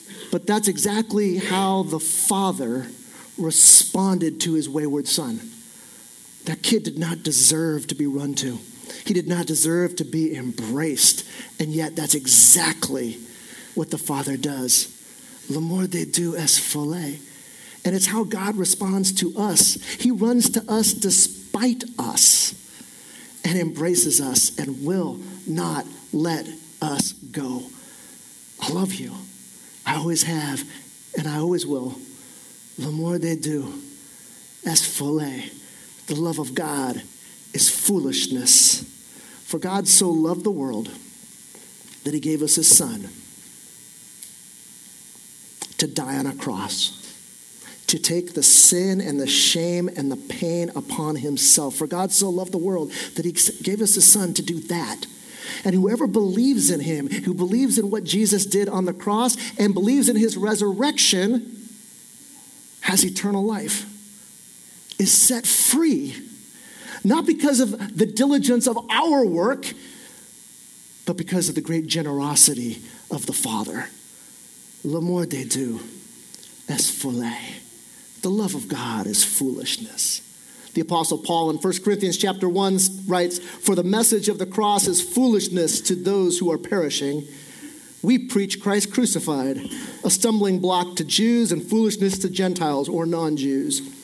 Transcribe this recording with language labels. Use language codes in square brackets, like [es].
[en] But that's exactly how the father responded to his wayward son. That kid did not deserve to be run to. He did not deserve to be embraced. And yet that's exactly what the Father does. [fr] L'amour de Dieu est folle. [en] And it's how God responds to us. He runs to us despite us and embraces us and will not let us go. I love you. I always have, and I always will. [fr] L'amour de Dieu est folle. [en] The love of God is foolishness. For God so loved the world that he gave us his son to die on a cross, to take the sin and the shame and the pain upon himself. For God so loved the world that he gave us his son to do that. And whoever believes in him, who believes in what Jesus did on the cross and believes in his resurrection, has eternal life, is set free. Not because of the diligence of our work, but because of the great generosity of the Father. [fr] L'amour de Dieu est folle. [en] The love of God is foolishness. The Apostle Paul in 1 Corinthians chapter 1 writes, "For the message of the cross is foolishness to those who are perishing. We preach Christ crucified, a stumbling block to Jews and foolishness to Gentiles or non-Jews.